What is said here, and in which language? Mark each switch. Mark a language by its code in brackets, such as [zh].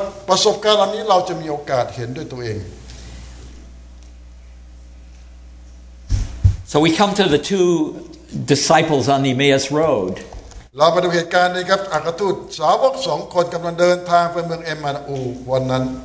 [th] ประสบการณ์อันนี้เราจะมีโอกาสเห็นด้วยตัวเอง [en] So we come to the two disciples on the Emmaus road [th] เรามาดูเหตุการณ์นะครับอัครทูตสาวก2คนกำลังเดินทางไปเมืองเอมมานูวันนั้น